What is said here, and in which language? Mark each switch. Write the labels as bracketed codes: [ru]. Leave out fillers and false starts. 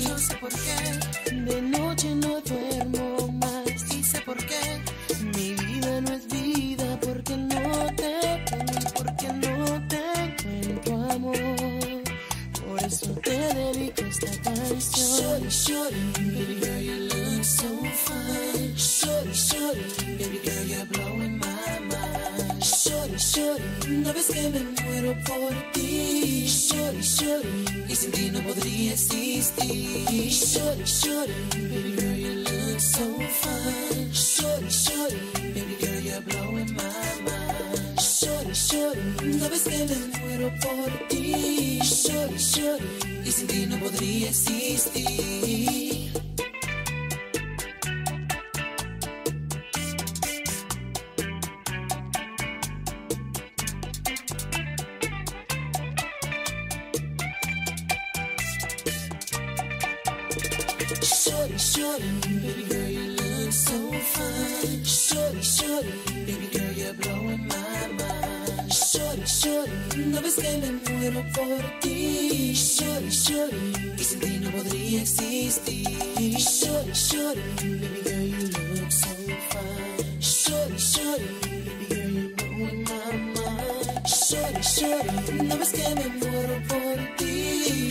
[es] Yo sé por qué de noche no duermo más. Y sé por qué mi vida no es vida, porque no te tengo, porque no te encuentro, amor. Por eso te dedico esta canción. [en] Shorty, shorty, baby girl, you look so fine. Shorty, shorty, baby girl, you're blowing my mind. [es] Shorty, shorty, no ves que me muero por ti. Shorty, shorty, y sin ti no podría existir. [en] Shorty, shorty, baby girl, you look so fine. Shorty, shorty, baby girl, you're blowing my mind. [es] Shorty, shorty, no ves que me muero por ti. Shorty, shorty, y sin ti no podría existir. [en] Shorty, shorty, baby girl, you look so fine. Shorty, shorty, baby girl, you're blowing my mind. [es] Shorty, shorty, no ves que me muero por ti. Shorty, shorty, y sin ti no podría existir. [en] Shorty, shorty, baby girl, you look so fine. Shorty, shorty, baby girl, you're blowing my mind. [es] Shorty, shorty, no ves que me muero por ti.